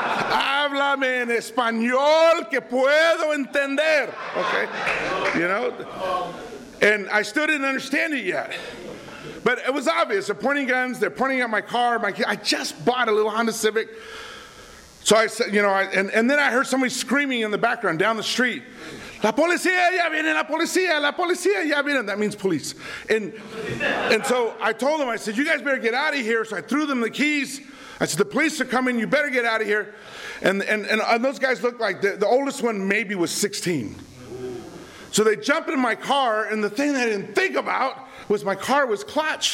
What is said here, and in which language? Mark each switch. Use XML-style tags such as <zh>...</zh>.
<es>Háblame en español que puedo entender.</es> <en>Okay. You know? And I still didn't understand it yet. But it was obvious. They're pointing guns. They're pointing at my car. I just bought a little Honda Civic. So I said, you know, and then I heard somebody screaming in the background down the street.</en> <es>La policía ya viene, la policía ya viene.</es> <en>That means police. And so I told them, I said, you guys better get out of here. So I threw them the keys. I said, the police are coming. You better get out of here. And those guys looked like the oldest one maybe was 16. So they jump in my car, and the thing that I didn't think about was my car was clutch.</en>